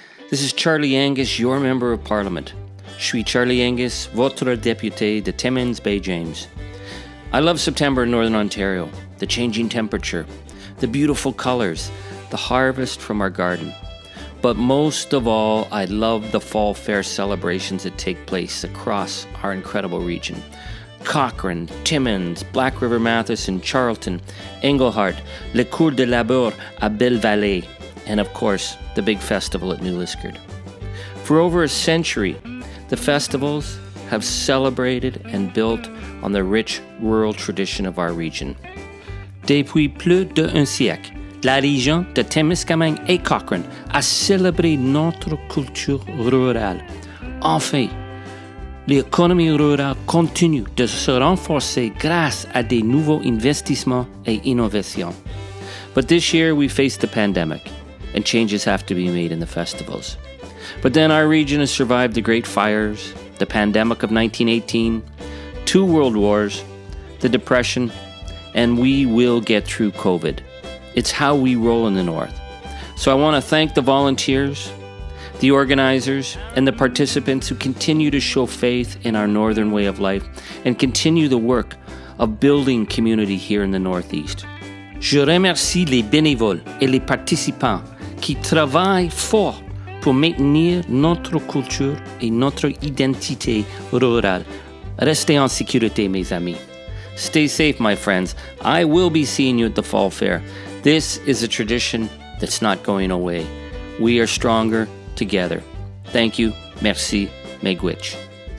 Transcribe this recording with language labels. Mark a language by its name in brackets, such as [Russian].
[English] This is Charlie Angus, your Member of Parliament. [French] Je suis Charlie Angus, votre député de Timmins Bay James. [English] I love September in Northern Ontario, the changing temperature, the beautiful colours, the harvest from our garden. But most of all, I love the fall fair celebrations that take place across our incredible region. Cochrane, Timmins, Black River Matheson, Charlton, Englehart, Le Cours de Labour à Belle Vallée, and of course, the big festival at New Liskeard. For over a century, the festivals have celebrated and built on the rich rural tradition of our region. [French] Depuis plus d'un siècle, la région de Témiscamingue et Cochrane a célébré notre culture rurale. Enfin, l'économie rurale continue de se renforcer grâce à des nouveaux investissements et innovations. [English] But this year we faced the pandemic, and changes have to be made in the festivals. But then our region has survived the great fires, the pandemic of 1918, two world wars, the depression, and we will get through COVID. It's how we roll in the north. So I want to thank the volunteers, the organizers, and the participants who continue to show faith in our northern way of life and continue the work of building community here in the Northeast. [French] Je remercie les bénévoles et les participants qui travaillent fort pour maintenir notre culture et notre identité rurale. Restez en sécurité, mes amis. [English] Stay safe, my friends. I will be seeing you at the Fall Fair. This is a tradition that's not going away. We are stronger together. Thank you. [French] Merci. [English] Megwitch.